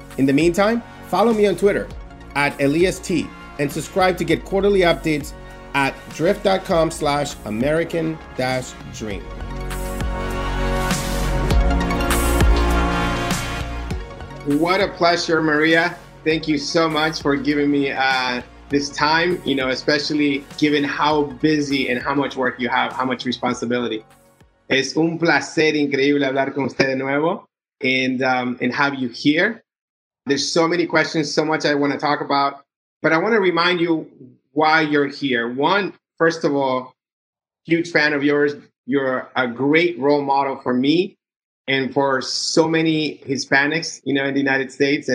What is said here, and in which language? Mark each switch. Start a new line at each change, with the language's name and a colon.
English: In the meantime, follow me on Twitter at EliasT and subscribe to get quarterly updates at drift.com/American-dream. What a pleasure, Maria. Thank you so much for giving me this time, you know, especially given how busy and how much work you have, how much responsibility.
Spanish: Es un placer increíble hablar con usted de nuevo
English: and have you here. There's so many questions, so much I want to talk about, but I want to remind you why you're here. One, first of all, huge fan of yours. You're a great role model for me and for so many Hispanics, you know, in the United States.